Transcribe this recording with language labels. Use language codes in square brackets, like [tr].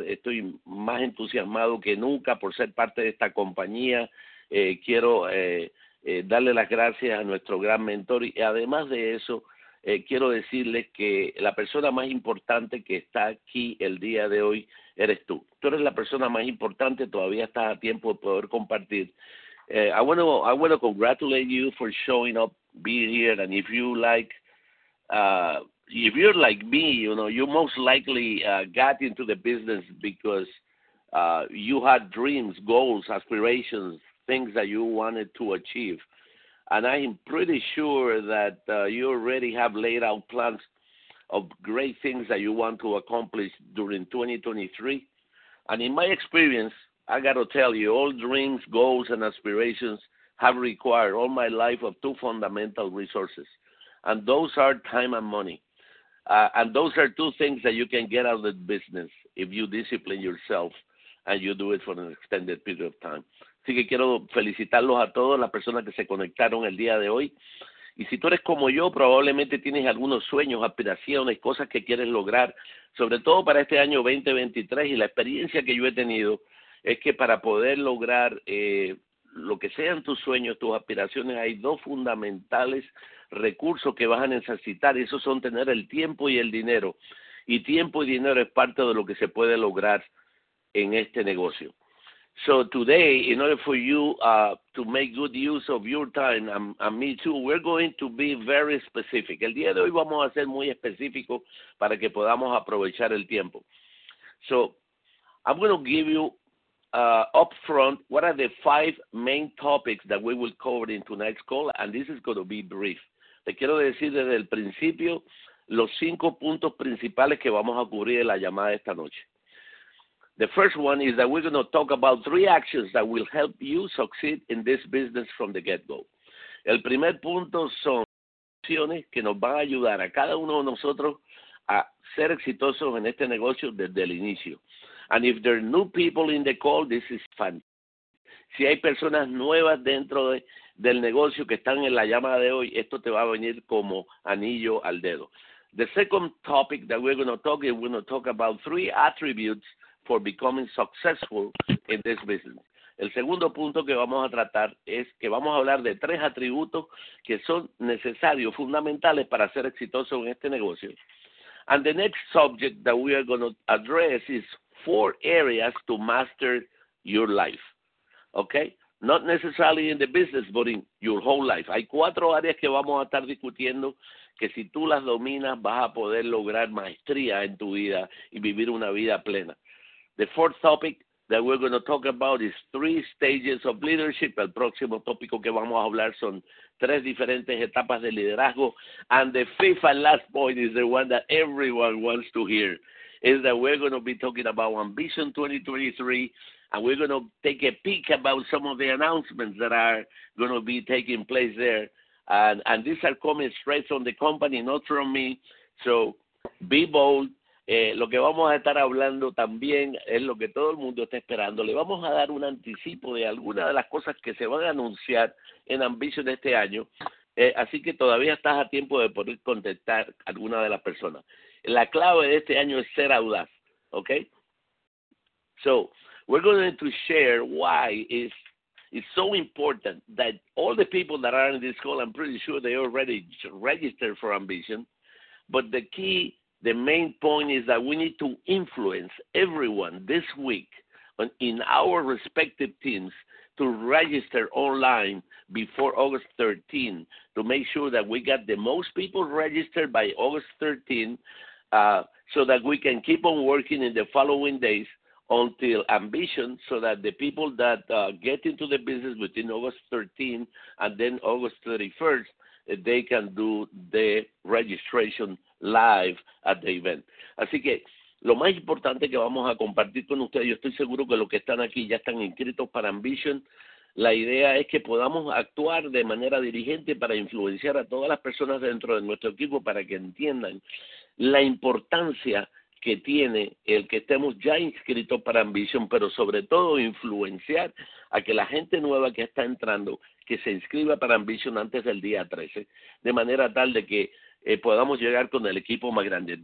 [es] Estoy más entusiasmado que nunca por ser parte de esta compañía. Quiero darle las gracias a nuestro gran mentor. Y además de eso, Quiero decirle que la persona más importante que está aquí el día de hoy eres tú. Tú eres la persona más importante. Todavía estás a tiempo de poder compartir. [en] I want to congratulate you for showing up, being here, and if you like, if you're like me, you know, you most likely got into the business because you had dreams, goals, aspirations, things that you wanted to achieve. And I'm pretty sure that you already have laid out plans of great things that you want to accomplish during 2023. And in my experience, I got to tell you, all dreams, goals, and aspirations have required all my life of two fundamental resources. And those are time and money. And those are two things that you can get out of the business if you discipline yourself and you do it for an extended period of time. [es] Así que quiero felicitarlos a todos, las personas que se conectaron el día de hoy. Y si tú eres como yo, probablemente tienes algunos sueños, aspiraciones, cosas que quieres lograr, sobre todo para este año 2023. Y la experiencia que yo he tenido es que para poder lograr lo que sean tus sueños, tus aspiraciones, hay dos fundamentales recursos que vas a necesitar. Y esos son tener el tiempo y el dinero. Y tiempo y dinero es parte de lo que se puede lograr en este negocio. [en] So today, in order for you to make good use of your time and me too, we're going to be very specific. [es] El día de hoy vamos a ser muy específico para que podamos aprovechar el tiempo. [en] So I'm going to give you up front what are the five main topics that we will cover in tonight's call, and this is going to be brief. [es] Te quiero decir desde el principio los cinco puntos principales que vamos a cubrir en la llamada esta noche. [en] The first one is that we're going to talk about three actions that will help you succeed in this business from the get-go. [es] El primer punto son acciones que nos van a ayudar a cada uno de nosotros a ser exitosos en este negocio desde el inicio. [en] And if there are new people in the call, this is fantastic. [es] Si hay personas nuevas dentro del negocio que están en la llamada de hoy, esto te va a venir como anillo al dedo. [en] The second topic that we're going to talk is we're going to talk about three attributes for becoming successful in this business. [es] El segundo punto que vamos a tratar es que vamos a hablar de tres atributos que son necesarios, fundamentales para ser exitoso en este negocio. [en] And the next subject that we are going to address is four areas to master your life. Okay? Not necessarily in the business, but in your whole life. [es] Hay cuatro áreas que vamos a estar discutiendo que si tú las dominas vas a poder lograr maestría en tu vida y vivir una vida plena. [en] The fourth topic that we're going to talk about is three stages of leadership. [es] El próximo tópico que vamos a hablar son tres diferentes etapas de liderazgo. [en] And the fifth and last point is the one that everyone wants to hear, is that we're going to be talking about Ambition 2023, and we're going to take a peek about some of the announcements that are going to be taking place there. And these are coming straight from the company, not from me. So be bold. [es] Lo que vamos a estar hablando también es lo que todo el mundo está esperando. Le vamos a dar un anticipo de algunas de las cosas que se van a anunciar en Ambition este año. Así que todavía estás a tiempo de poder contestar a alguna de las personas. La clave de este año es ser audaz, ¿ok? [en] So, we're going to share why it's so important that all the people that are in this call, I'm pretty sure they already registered for Ambition, but the key, the main point is that we need to influence everyone this week in our respective teams to register online before August 13 to make sure that we got the most people registered by August 13 so that we can keep on working in the following days until Ambition, so that the people that get into the business within August 13 and then August 31st, they can do the registration live at the event. [es] Así que lo más importante que vamos a compartir con ustedes, yo estoy seguro que los que están aquí ya están inscritos para Ambition. La idea es que podamos actuar de manera dirigente para influenciar a todas las personas dentro de nuestro equipo para que entiendan la importancia que tiene el que estemos ya inscritos para Ambition, pero sobre todo influenciar a que la gente nueva que está entrando que se inscriba para Ambition antes del día 13, de manera tal de que podamos llegar con el equipo más grande.